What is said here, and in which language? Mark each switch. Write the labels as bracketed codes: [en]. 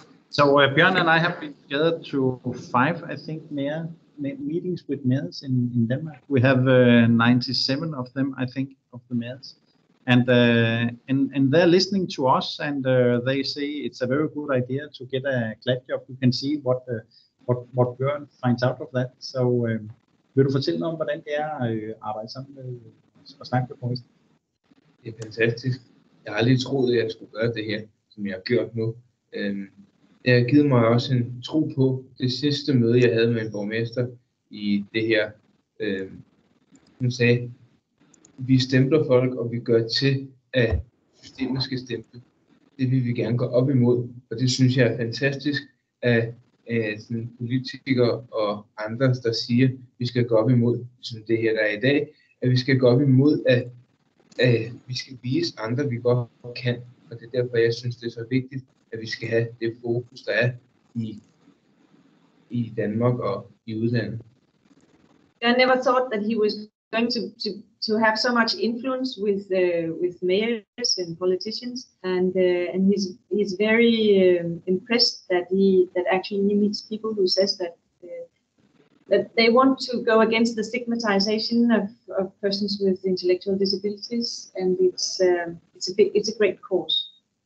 [en] So Bjorn and I have been together to 5, I think, meetings with males in Denmark. We have 97 of them, I think, of the males. And they're listening to us, and they say it's a very good idea to get a CLAP job. You can see what Bjørn finds out of that. [da] So vil du fortælle noget om, hvordan det er at arbejde sammen med og snakke med Poulsen? Det er fantastisk. Jeg har aldrig troet, at jeg skulle gøre det her, som jeg har gjort nu. Jeg har givet mig også en tro på det sidste møde, jeg havde med en borgmester i det her. Hun sagde, vi stempler folk, og vi gør til, at systemet skal stemple. Det vil vi gerne gå op imod, og det synes jeg er fantastisk, at sådan politikere og andre, der siger, vi skal gå op imod sådan det her, der er i dag, at vi skal gå op imod, at vi skal vise andre, vi godt kan. Og det er derfor, jeg synes, det er så vigtigt, at vi skal have det fokus, der er i Danmark og i udlandet. [en] I never thought that he was going to have so much influence with mayors and politicians, and he's very impressed that actually he meets people who says that they want to go against the stigmatization of persons with intellectual disabilities, and it's a great cause.